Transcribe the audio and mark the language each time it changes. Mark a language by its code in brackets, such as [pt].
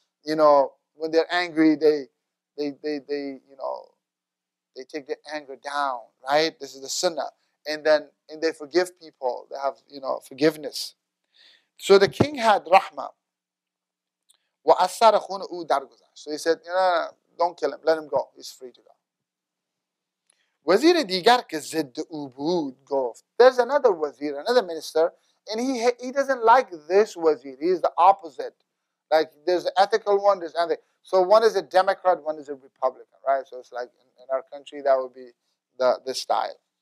[en] You know, when they're angry, they you know, they take their anger down, right? This is the sunnah. And then they forgive people, they have, you know, forgiveness. So the king had rahmah. [fa] Wa asara khuna u darguza. [en] So he said, you know, don't kill him, let him go. He's free to go. [fa] وزیر دیگر که ضد او بود گفت. [en] There's another wazir, another minister, and he doesn't like this wazir. He is the opposite. Like, there's an ethical one, there's another. So one is a Democrat, one is a Republican, right? So it's like in our country, that would be the style.